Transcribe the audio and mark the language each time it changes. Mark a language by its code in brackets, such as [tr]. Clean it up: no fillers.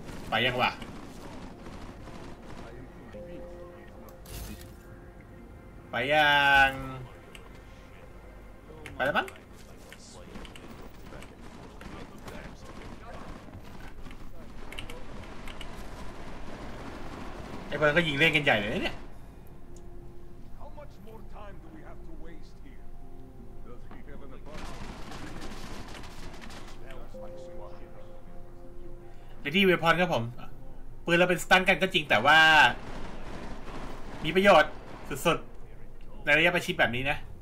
[th] ไปยังวะไปยังไปแล้วมั้งไอ้เพื่อนก็ยิงเล่นกันใหญ่เลยเนี่ย [en] How much more time do we have to waste here? Does he have an apartment? Ready weapon [th] ครับผมปืนเราเป็นสตันกันก็จริงแต่ว่ามีประโยชน์สุดๆในระยะประชิดแบบนี้นะ